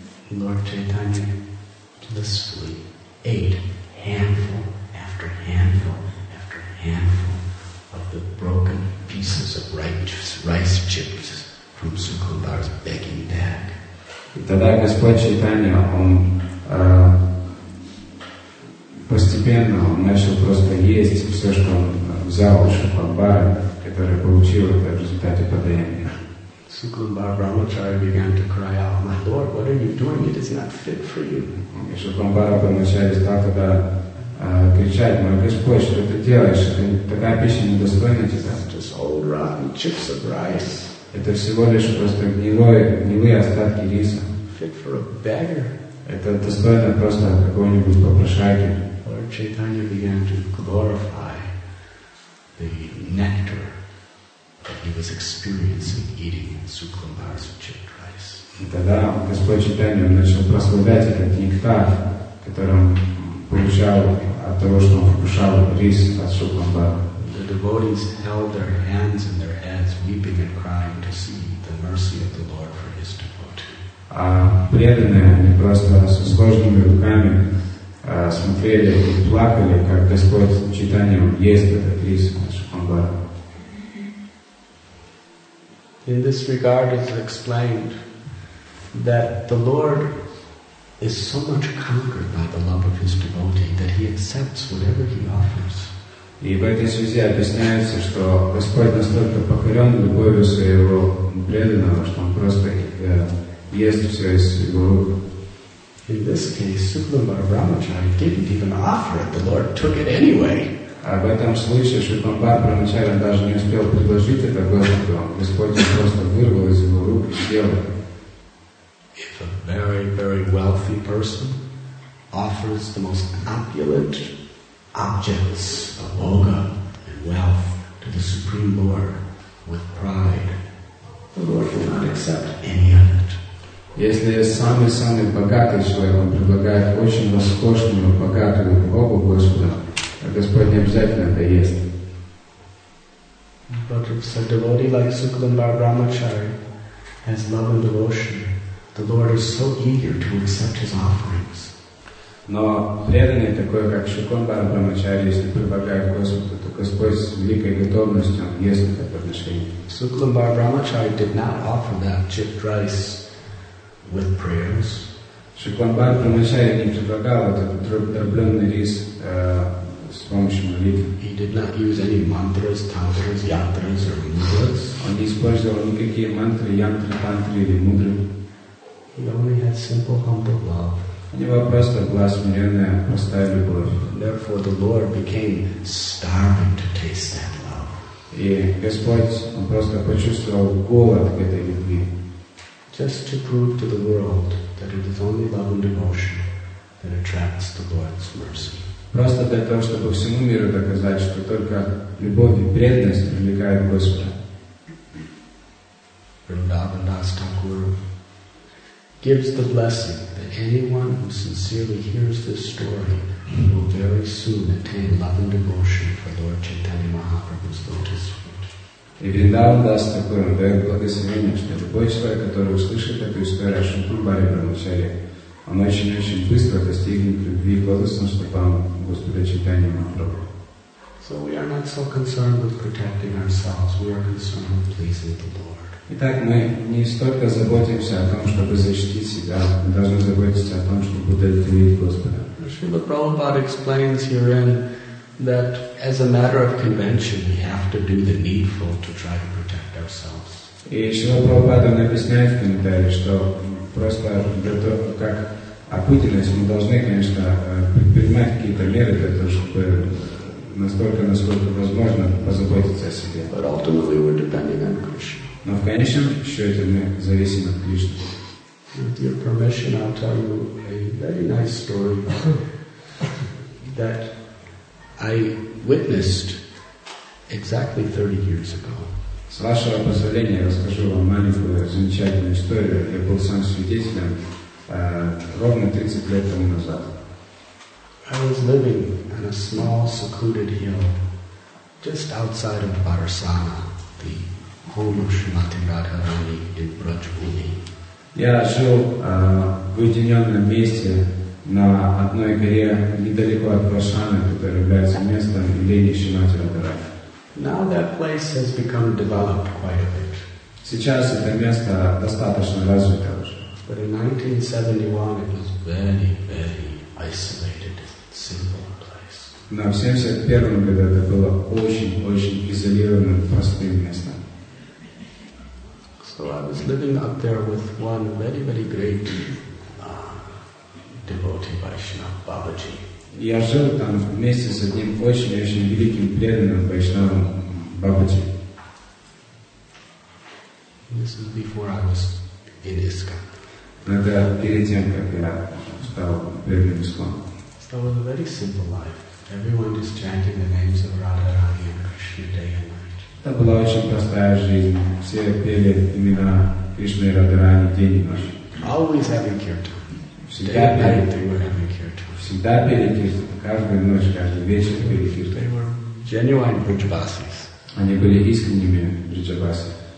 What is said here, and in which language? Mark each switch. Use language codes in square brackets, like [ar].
[en] Lord Chaitanya blissfully ate handful after handful after handful of the broken pieces of rice chips from Sukumbar's begging bag. [ru] И тогда Господь Чайтанья, он постепенно он начал просто есть все, что он взял у Шукумбара, который получил это в результате подаяния. [en] Sukumbhar Brahmachari began to cry out, "My Lord, what are you doing? It is not fit for you." [ru] И Шукумбар Брамачари стал тогда кричать, "Мой Господь, что ты делаешь? Это такая пища недостойна тебя." [en] It's just old rotten chips of rice. [ru] Это всего лишь просто гнилые остатки риса. [en] Fit for a beggar. [ru] Это достойно просто какого-нибудь попрошайки. [en] Lord Chaitanya began to glorify the nectar that he was experiencing eating Sukumbhar's chipped rice. [ru] И тогда Господь Чайтанья начал прославлять этот нектар, который он получал от того, что он вкушал рис от Шукумбара. [en] The devotees held their hands in their heads, weeping and crying to see the mercy of the Lord for his devotee. [ru] А преданные, они просто со сложными руками смотрели и плакали, как Господь Чайтанья ест этот рис от Шукумбара. [en] In this regard, it is explained that the Lord is so much conquered by the love of his devotee that he accepts whatever he offers. [ru] И в этой связи объясняется, что Господь настолько покорен любовью своего преданного, что он просто ест все из его рук. [en] In this case, Sukumbhar Brahmachari didn't even offer it. The Lord took it anyway. [ru] Об этом слышишь, что Шукумбар Брамачари даже не успел предложить это Господу. Господь просто вырвал из его рук и съел. [en] If a very, very wealthy person offers the most opulent objects of bhoga and wealth to the Supreme Lord with pride, the Lord will not accept any of it. [ru] Если самый-самый богатый человек, он предлагает очень роскошную, богатую богу Господа, а Господь не обязательно это ест. [en] But if a devotee like Sukumbhar Brahmachari has love and devotion, the Lord is so eager to accept his offerings. [ru] Но преданный такой, как Шукумбар Брамачари, если предлагает Господу, то Господь с великой готовностью ест это подношение. [en] Sukumbhar Brahmachari did not offer that chipped rice with prayers. [ru] Шукумбар Брамачари не предлагал этот дробленный рис с помощью молитвы. [en] He did not use any mantras, tantras, yantras or mudras. [ru] Он не использовал никакие мантры, янтры, тантры или мудры. [en] He only had simple, humble love. [ru] У него просто была смиренная, простая любовь. [en] Therefore, the Lord became starving to taste that love. [ru] И Господь, Он просто почувствовал голод к этой любви. [en] Just to prove to the world that it is only love and devotion that attracts the Lord's mercy. [ru] Просто для того, чтобы всему миру доказать, что только любовь и преданность привлекают Господа. [en] Vrindavan Das Thakur gives the blessing that anyone who sincerely hears this story will very soon attain love and devotion for Lord Chaitanya Mahaprabhu's lotus feet. [ru] И Vrindavan Das Thakur дает благословение, что любой человек, который услышит эту историю о Шри Прабхупаде Брахмачари, он очень-очень быстро достигнет любви к лотосным стопам Господа Чайтанья Махапрабху. [en] So we are not so concerned with protecting ourselves, we are concerned with pleasing the Lord. [ru] Итак, мы не столько заботимся о том, чтобы защитить себя, мы должны заботиться о том, чтобы удовлетворить Господа. [en] Srila Prabhupada explains herein that as a matter of convention, we have to do the needful to try to protect ourselves. [ru] И Srila Prabhupada объясняет в комментарии, что просто для того, как обыденность, мы должны, конечно, предпринимать какие-то меры для того, чтобы настолько, насколько возможно, позаботиться о себе. [en] But ultimately we're depending on Krishna. [ru] Но в конечном счете мы зависим от Кришны. [en] With your permission, I'll tell you a very nice story that I witnessed exactly 30 years ago. [ru] С вашего позволения, я расскажу вам маленькую замечательную историю. Я был сам свидетелем ровно 30 лет тому назад. [en] I was living on a small secluded hill just outside of Barasana, the home of Srimati Radharani in Brajbhumi. [ru] Я жил в уединенном месте на одной горе недалеко от Барасаны, которая является местом имени Шримати Радхарани. [en] Now that place has become developed quite a bit. [ru] Сейчас это место достаточно развито уже. [en] But in 1971 it was very, very isolated, simple place. [ru] Но в 71 году это было очень-очень изолированным, простым местом. [en] So I was living up there with one very, very great devotee, Vaishnava Babaji. [ru] Я жил там вместе с одним очень-очень великим преданным Вайшнавом Бабаджи. [en] This is before I was in ISKCON. [ru] Это перед тем, как я стал преданным ISKCON. [en] So it was a very simple life. Everyone is chanting the names of Radharani and Krishna day and night. [ru] Это была очень простая жизнь. Все пели имена Кришны и Радхарани день и ночь. [en] Always having kirtan. Day and night they were having kirtan. [ru] Всегда пели киртан, каждую ночь, каждый вечер пели киртан. [en] Genuine Vrijabasis. [ru] Они были искренними Vrijabasis.